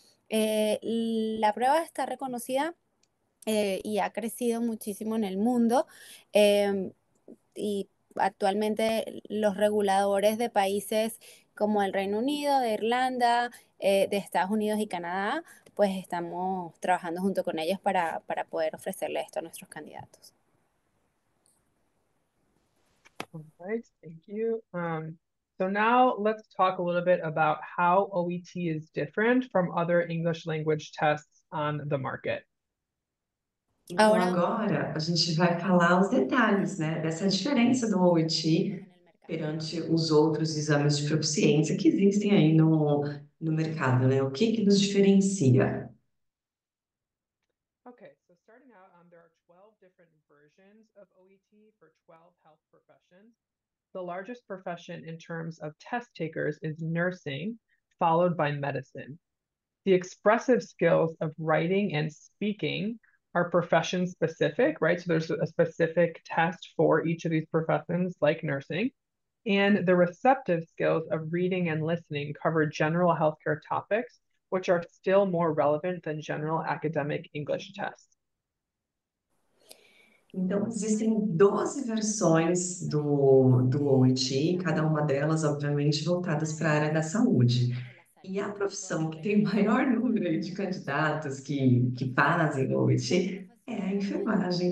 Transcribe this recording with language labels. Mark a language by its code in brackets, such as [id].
[es] La prueba está reconocida y ha crecido muchísimo en el mundo y actualmente los reguladores de países como el Reino Unido, de Irlanda, de Estados Unidos y Canadá, pues estamos trabajando junto con ellos para poder ofrecerle esto a nuestros candidatos. [en] All right, thank you. So now let's talk a little bit about how OET is different from other English language tests on the market. [pt] Então, agora a gente vai falar os detalhes, né, dessa diferença do OIT perante os outros exames de proficiência que existem aí no mercado, né? O que que nos diferencia? [en] Okay, so starting out, there are 12 different versions of OET for 12 health professions. The largest profession in terms of test takers is nursing, followed by medicine. The expressive skills of writing and speaking are profession specific, right? So there's a specific test for each of these professions, like nursing. And the receptive skills of reading and listening cover general healthcare topics, which are still more relevant than general academic English tests. [pt] Então, existem 12 versões do OIT, cada uma delas, obviamente, voltadas para a área da saúde. E a profissão que tem o maior número de candidatos que fazem o OIT é a enfermagem.